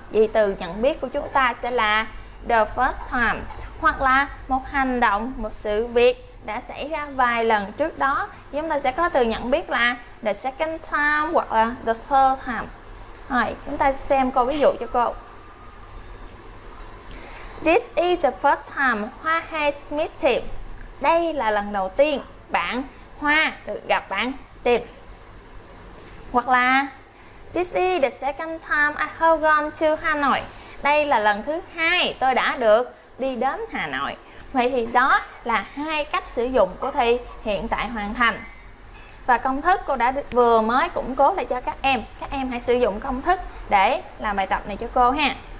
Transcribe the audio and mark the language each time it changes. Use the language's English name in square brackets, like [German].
[Vietnamese] Vì từ nhận biết của chúng ta sẽ là the first time, hoặc là một hành động, một sự việc đã xảy ra vài lần trước đó, chúng ta sẽ có từ nhận biết là the second time hoặc là the third time. Rồi, chúng ta xem câu ví dụ cho cô. [English] This is the first time Hoa has met Tim. [Vietnamese] Đây là lần đầu tiên bạn Hoa được gặp bạn Tim. Hoặc là [English] this is the second time I have gone to Hanoi. [Vietnamese] Đây là lần thứ hai tôi đã được đi đến Hà Nội. Vậy thì đó là hai cách sử dụng của thì hiện tại hoàn thành. Và công thức cô đã vừa mới củng cố lại cho các em. Các em hãy sử dụng công thức để làm bài tập này cho cô ha.